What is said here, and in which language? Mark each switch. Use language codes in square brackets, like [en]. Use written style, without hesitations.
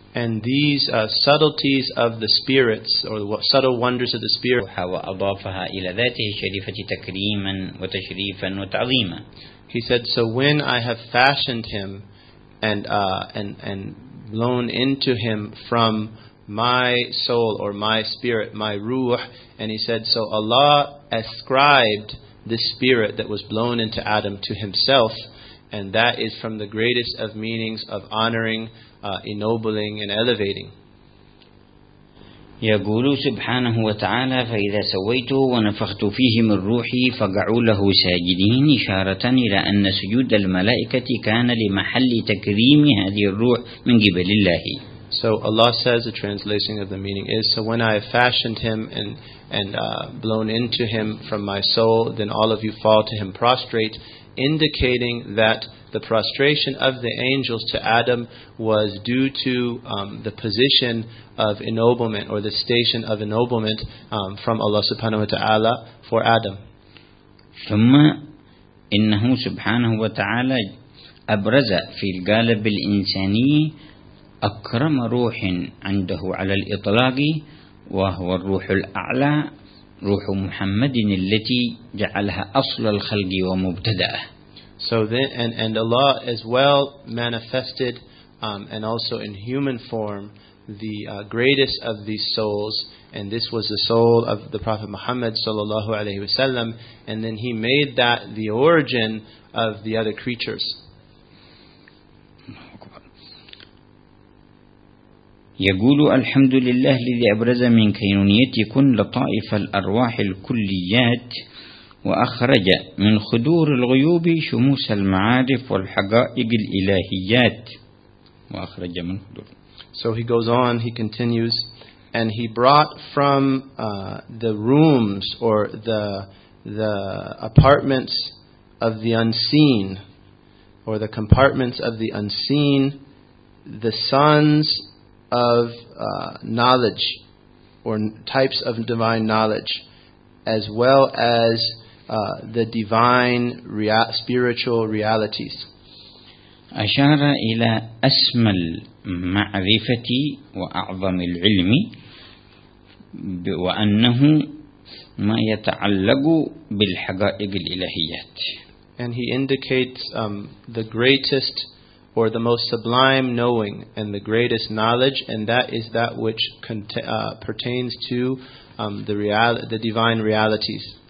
[en] And these subtleties of the spirits, or the subtle wonders of the spirit, [ar] وأضافها إلى ذاته الشريفة تكريما وتشريفا وتعظيما. [en] He said, "So when I have fashioned him, and blown into him from my soul or my spirit, my ruh," and he said, "So Allah ascribed this spirit that was blown into Adam to himself." And that is from the greatest of meanings of honoring, ennobling, and elevating. [ar] يقول سبحانه وتعالى فإذا سويته ونفخت فيه من روحي فقعوا له ساجدين إشارة إلى أن سجود الملائكة كان لمحل تكريم هذه الروح من قبل الله. [en] So Allah says, the translation of the meaning is, so when I have fashioned him and blown into him from my soul, then all of you fall to him prostrate, indicating that the prostration of the angels to Adam was due to the position of ennoblement, or the station of ennoblement from Allah subhanahu wa ta'ala for Adam. [ar] ثم إنه سبحانه وتعالى أبرز في القالب الإنساني أكرم روح عنده على الإطلاق وهو الروح الأعلى روح محمد التي جعلها أصل الخلق ومبتدأه. [en] So then, and Allah as well manifested, and also in human form, the greatest of these souls, and this was the soul of the Prophet Muhammad sallallahu alaihi wasallam, and then He made that the origin of the other creatures. [ar] يقول الحمد لله الذي أبرز من كينونيتكن لطائف الأرواح الكليات. وأخرج من خدور الغيوب شموس المعارف والحقائق الإلهيات. وأخرج من خدور. [en] So he goes on, he continues, and he brought from the rooms or the apartments of the unseen, or the compartments of the unseen, the sons of knowledge, or types of divine knowledge, as well as the divine spiritual realities. [ar] أشار إلى أسمى المعرفة وأعظم العلم وأنه ما يتعلق بالحقائق الإلهيات. [en] And he indicates the greatest or the most sublime knowing and the greatest knowledge, and that is that which pertains to the divine realities.